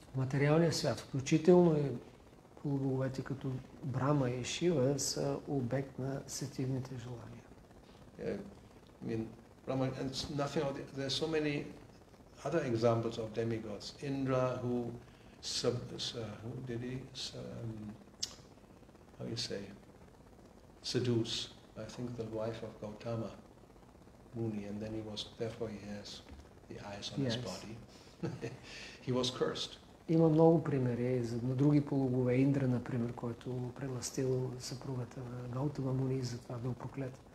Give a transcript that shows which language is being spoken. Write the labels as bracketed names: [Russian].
[Bulgarian] В материалния свят, включително и полубоговете като Брама и Шива, са обект на сетивните желания. [English] Brahma and nothing of the, there are so many other examples of demigods. Indra, seduce, I think, the wife of Gautama Muni, and then therefore he has the eyes on yes. his body. He was cursed. [Bulgarian] Има много примери на други полубогове. Индра, например, който преластил съпругата на Гаутама Муни, затова бил проклет.